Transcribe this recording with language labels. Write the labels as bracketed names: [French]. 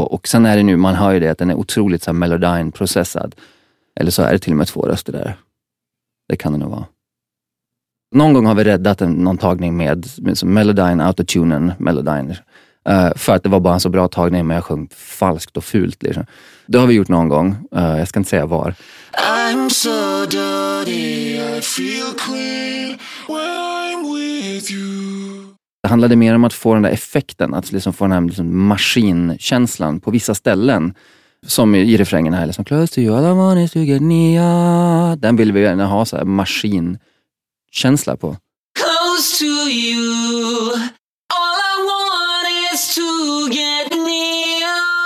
[Swedish] Och sen är det nu, man hör ju det, att den är otroligt så här melodine-processad. Eller så är det till och med två röster där. Det kan det nog vara. Någon gång har vi räddat någon tagning med melodine, autotunen, melodine. För att det var bara en så bra tagning, men jag sjöng falskt och fult. Liksom. Det har vi gjort någon gång. Jag ska inte säga var. [English] I'm so dirty, I feel clean when I'm with you. [Swedish] Det handlade mer om att få den där effekten, att liksom få den här liksom maskinkänslan på vissa ställen. Som i refrängen här, liksom, [English] close to you, all I want is to get near. [Swedish] Den vill vi gärna ha så här maskinkänsla på. [English] Close to you, all I want is to get near.